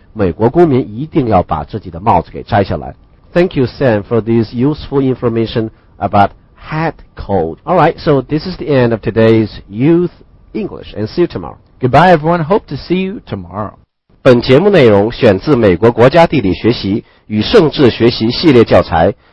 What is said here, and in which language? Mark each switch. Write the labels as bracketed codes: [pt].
[zh] 美国公民一定要把自己的帽子给摘下来。 [en] Thank you, Sam, for this useful information about hat code. All right, so this is the end of today's Youth English, and see you tomorrow. Goodbye, everyone. Hope to see you tomorrow. [zh] 本节目内容选自美国国家地理学习与政治学习系列教材。